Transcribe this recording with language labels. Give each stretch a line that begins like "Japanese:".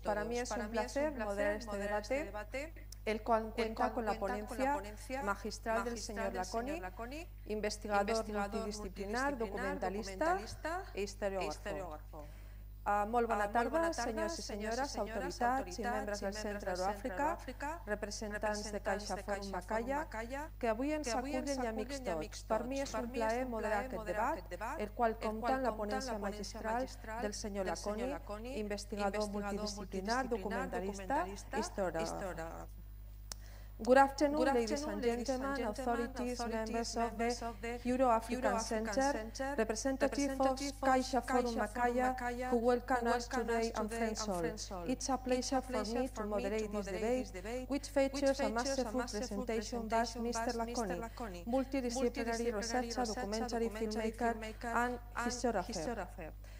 Spanish: Para mí es un placer moderar este debate, el cual cuenta con la ponencia magistral del señor Lasconi, investigador multidisciplinar, documentalista e historiógrafo. Muy buena tarde, señores y señoras, autoridades y miembros del Centro Euroáfrica, representantes de Caixa Forum Macaya,
Catalan: que avui ens acullen i amics tots. Per mi és un plaer moderar aquest debat, el qual compta amb la ponència magistral del senyor Lasconi, investigador multidisciplinar, documentalista i historiador.
English: Good afternoon, ladies and gentlemen, authorities, members of the Euro-African Center, representatives of Caixa Forum Macaya, who welcome us today and friends all. It's a pleasure for me to moderate this debate, which features a masterful presentation by Mr. Lasconi, multidisciplinary researcher, documentary filmmaker, and historiographer.